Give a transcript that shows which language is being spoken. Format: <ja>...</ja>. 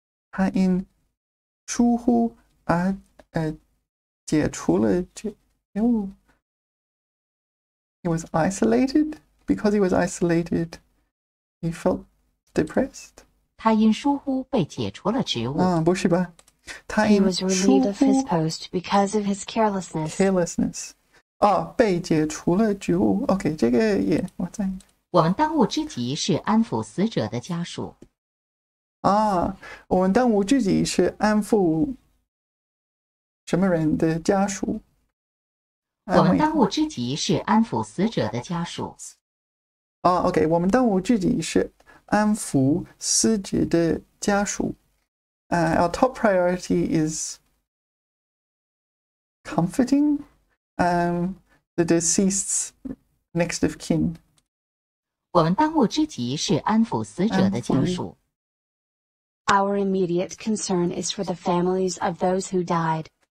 <zh>他因疏忽而解除了职务。</zh> <en>He was isolated. Because he was isolated, he felt depressed.</en> <zh>他因疏忽被解除了职务。不是吧。他因疏忽。</zh> <en>He was relieved of his post because of his carelessness.</en> <zh>Carelessness. 被解除了职务。 OK, 这个也我在。我们当务之急是安抚死者的家属。我们当务之急是安抚什么人的家属。我们当务之急是安抚死者的家属。 OK, 我们当务之急是安抚死者的家属。</zh> <en>Our top priority is comforting. The deceased's next of kin.</en> <zh>我们当务之急是安抚死者的家属。</zh> <en>Our immediate concern is for the families of those who died.</en>